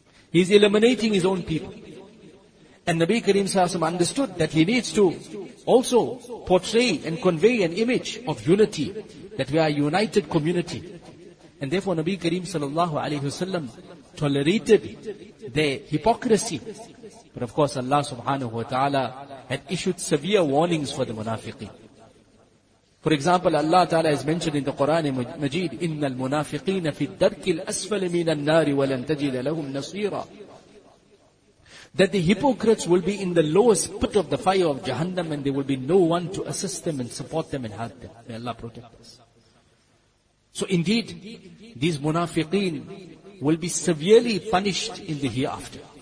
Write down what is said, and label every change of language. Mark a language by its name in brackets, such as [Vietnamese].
[English] He is eliminating his own people. And Nabi Kareem sallallahu alayhi wa understood that he needs to also portray and convey an image of unity, that we are a united community. And therefore Nabi Kareem sallallahu alayhi wa sallam tolerated their hypocrisy. But of course Allah subhanahu wa ta'ala had issued severe warnings for the munafiqeen. [Arabic] For example, Allah ta'ala has mentioned in the Qur'an Majeed, إِنَّ الْمُنَافِقِينَ فِي الدَّرْكِ الْأَسْفَلِ مِنَ النَّارِ وَلَنْ تَجِدَ لَهُمْ نَصِيرًا. [English] That the hypocrites will be in the lowest pit of the fire of Jahannam, and there will be no one to assist them and support them and help them. May Allah protect us. So indeed, these munafiqeen will be severely punished in the hereafter.